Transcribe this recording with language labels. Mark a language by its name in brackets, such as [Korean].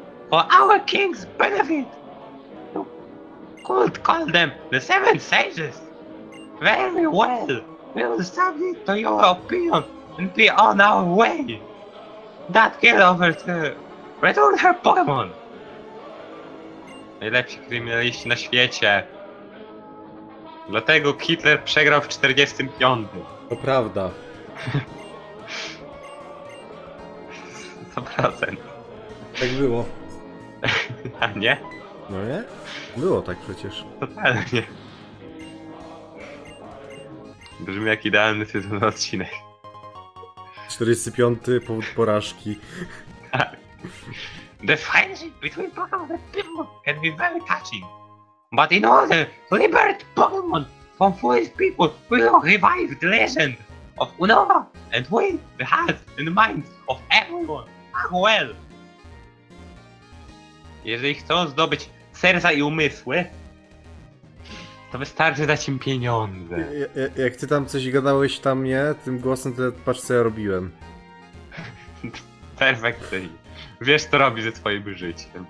[English] For our king's benefit. You could call them the Seven Sages. Very well, we will submit to your opinion. And be on our way! That girl offers to return her Pokémon! [Polish] Najlepsi kryminaliści na świecie! Dlatego Hitler przegrał w 45. To prawda. To prawda. Tak było. A nie? No nie? Było tak przecież. Totalnie. Brzmi jak idealny tytuł na odcinek. 45. powód porażki. [English] The friendship between Pokemon and people can be very touching. But in order to liberate Pokemon from foolish people, we will revive the legend of Unova and win the hearts and minds of everyone as well. [Polish] Jeżeli chcą zdobyć serca i umysły, to wystarczy dać im pieniądze. Jak ty tam coś gadałeś tam nie, tym głosem, to patrz co ja robiłem. Perfekcyjnie. Wiesz co robi ze swoim życiem.